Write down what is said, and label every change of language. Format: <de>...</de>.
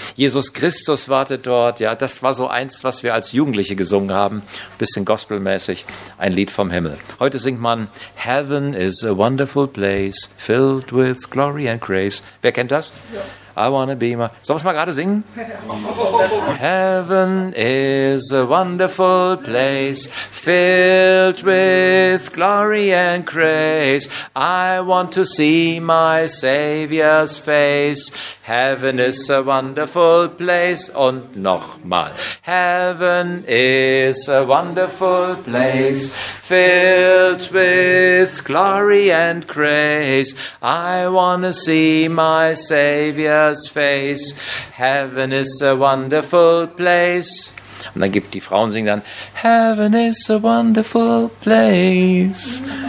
<de>Jesus Christus wartet dort. Ja, das war so eins, was wir als Jugendliche gesungen haben, bisschen gospelmäßig, ein Lied vom Himmel. Heute singt man</de> <en>Heaven is a wonderful place, filled with glory and grace.</en> <de>Wer kennt das? Ja.</de> <en>I wanna be my...</en> <de>Sollen wir es mal gerade singen?</de> <en>Heaven is a wonderful place, filled with glory and grace. I want to see my Savior's face. Heaven is a wonderful place.</en> <de>Und nochmal.</de> <en>Heaven is a wonderful place, filled with glory and grace. I want to see my Savior's face. Heaven is a wonderful place.</en> <de>Und dann gibt die Frauen singen dann</de> <en>Heaven is a wonderful place.</en>